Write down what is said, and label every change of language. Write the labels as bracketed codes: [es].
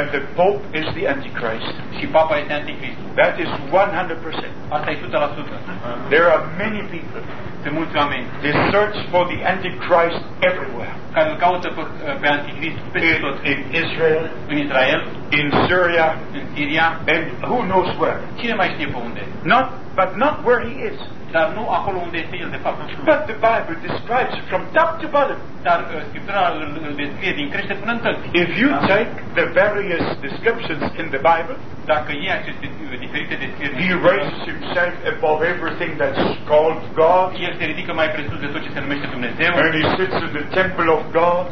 [en] And the Pope is the Antichrist. [ro] Și papa este anticrist. [en] That is 100%. [ro] Asta e 100%. [en] There are many people. [ro] Sunt mulți oameni. [en] They search for the Antichrist everywhere. [ro] Care îl caută pe anticrist peste tot. [en] In Israel. [ro] În Israel. [en] In Syria. [ro] În Siria. [en] And who knows where? [ro] Cine mai știe pe unde? [en] Not where he is. [ro] Dar nu acolo unde este el, de fapt. [en] But the Bible describes from top to bottom. [ro] Dar Scriptura îl descrie din crește până în tălți. [en] If you take the various descriptions in the Bible, [ro] dacă iei aceste diferite descrieri, [en] he raises himself above everything that's called God. [ro] El se ridică mai presus de tot ce se numește Dumnezeu. [en] And he sits in the temple of God.